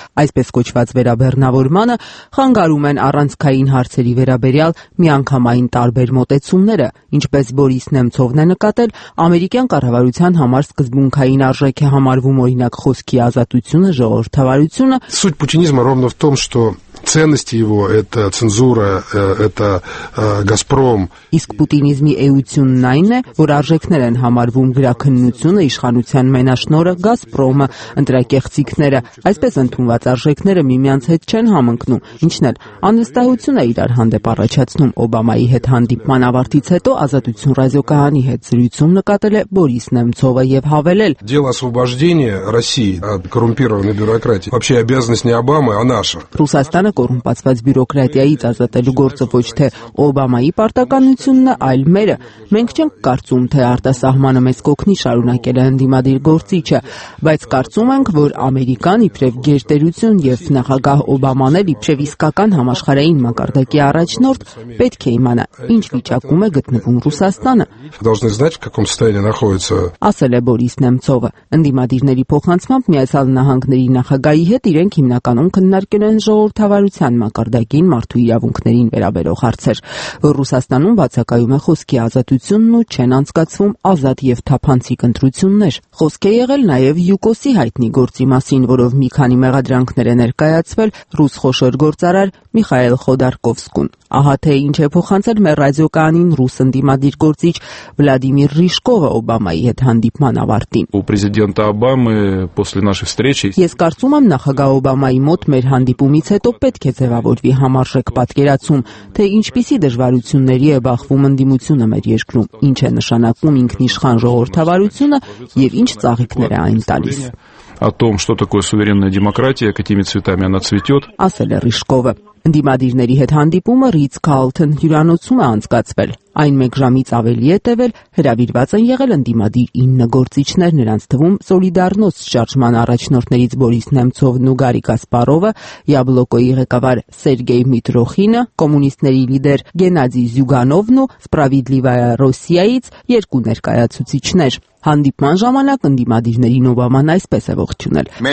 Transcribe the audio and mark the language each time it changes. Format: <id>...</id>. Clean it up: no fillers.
<hy>այսպես կոչված վերաբեռնավորմանը խանգարում են առանցքային հարցերի վերաբերյալ միանգամայն տարբեր մոտեցումները։ Ինչպես Բորիս Նեմցովն է նկատել, ամերիկյան կառավարության համար սկզբունքային արժեք է համարվում, օրինակ, խոսքի ազատությունը, ժողովրդավարությունը։</hy> <ru>Суть путинизма ровно в том, что ценности его это цензура, это Газпром.</ru> <hy>Իսկ պուտինիզմի էությունն այն է, որ արժեքներ են համարվում գրաքննությունը, իշխանության մենաշնորը, Գազպրոմը, ընտրակեղծիքները, այսպես ընդունված արժեքները միմյանց հետ չեն համընկնում։ Ինչն էլ, անվստահություն է իրար հանդեպ առաջացնում։ Օբամայի հետ հանդիպման ավարտից հետո Ազատություն ռադիոկայանի հետ զրույցում նկատել է Բորիս Նեմցովը եւ հավելել.</hy> <ru>Дело освобождения России от коррумпированной бюрократии. Вообще обязанность не Обамы, а наша.</ru> <hy>Ռուսաստանը կորումպացված բյուրոկրատիայից ազատելու գործը ոչ թե Օբամայի պարտականությունն է, այլ մերը։ Մենք չենք կարծում, թե արտասահմանը մեզ կօգնի շարունակել ընդդիմադիր գործիչը, բայց կարծում ենք, որ Ամերիկան իբրև գերտերություն եւ նախագահ Օբաման էլ իբրև իսկական համաշխարհային մակարդակի առաջնորդ պետք է իմանա, ինչ վիճակում է գտնվում Ռուսաստանը։ Ասել է Բորիս Նեմցովը, ընդդիմադիրների փոխանցումը Միացյալ Նահանգների նախագահի հետ իրենք հիմնականում քննարկելեն ժողովրդավարության մակարդակին մարդու իրավունքներին վերաբերող հարցեր, որ Ռուսաստանում բացակայում է խոսքի ազատությունն ու չեն անցկացվում ազատ եւ թափանցիկ ընտրություններ։ Խոսք է եղել նաեւ Յուկոսի հայտնի գործի մասին, որով մի քանի մեղադրանքներ է ներկայացվել ռուս խոշոր գործարար Միխայել Խոդարկովսկուն։ Ահա թե ինչ է փոխանցել մեր ռադիոկանին ռուս ընդդիմադիր գործիչ Վլադիմիր Ռիշկովը Օբամայի հետ հանդիպման ավարտին։</hy> <ru>У президента Обамы после нашей встречи</ru> <hy>Ես կարծում եմ, նախագահ Օբամայի մոտ մեր հանդիպումից հետո պետք է ձևավորվի համարժեք պատկերացում, թե ինչպիսի դժվարությունների է բախվում ընդդիմությունը մեր երկրում, ինչ է նշանակում ինքնիշխան ժողովրդավարությունը եւ ինչ ծաղիկներ է այն տալիս։</hy> <ru>О том, что такое суверенная демократия, какими цветами она цветёт.</ru> <hy>Ասել է Ռիշկովը։ Ընդդիմադիրների հետ հանդիպումը Ռից Քալթեն հյուրանոցում է անցկացվել։ Այն մեկ ժամից ավելի է տևել, հրավիրված են եղել ընդդիմադիր 9 գործիչներ, նրանց թվում Սոլիդարնոս շարժման առաջնորդներից Բորիս Նեմցովն ու Գարի Կասպարովը, Յաբլոկոյի ղեկավար Սերգեյ Միտրոխինը, կոմունիստների լիդեր Գենադի Զյուգանովն ու Սպրավիդլիվայա Ռոսիայից երկու ներկայացուցիչներ։ Հանդիպման ժամանակ ընդդիմադիրներին Օբաման այսպես է ողջունել.</hy>